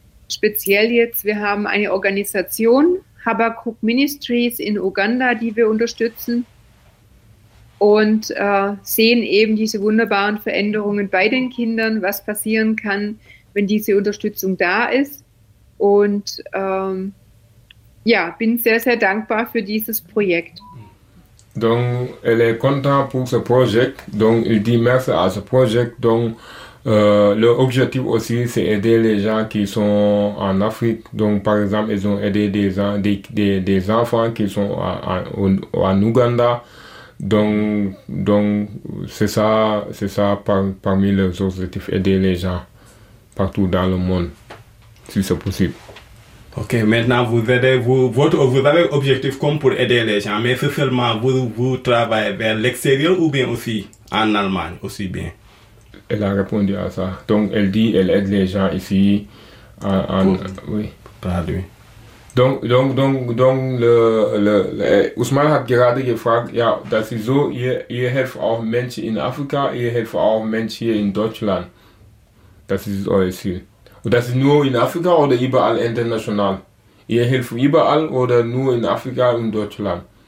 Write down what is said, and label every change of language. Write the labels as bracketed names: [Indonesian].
[German] Speziell jetzt, wir haben eine Organisation, Habakkuk Ministries in Uganda, die wir unterstützen und sehen eben diese wunderbaren Veränderungen bei den Kindern, was passieren kann, wenn diese Unterstützung da ist. Und ja, bin sehr, sehr dankbar für dieses Projekt. [French] Donc, elle est contente pour ce projet. Donc, il dit merci à ce projet. Donc, leur objectif aussi, c'est aider les gens qui sont en Afrique. Donc, par exemple, ils ont aidé des enfants qui sont en Ouganda. Donc, c'est ça parmi leurs objectifs, aider les gens partout dans le monde. Si c'est possible. Ok, maintenant vous avez objectif comme pour aider les gens, mais c'est seulement vous travaillez vers l'extérieur ou bien aussi en Allemagne aussi bien. Elle a répondu à ça. Donc elle dit elle aide les gens ici oui. Traduit. Donc le [German] Ousmane hat gerade gefragt, ja, das ist so, ihr helft auch Menschen in Afrika, ihr helft auch Menschen hier in Deutschland. Das ist euer Ziel. Und das ist nur in Afrika oder überall international? Ihr helft überall oder nur in Afrika und Deutschland?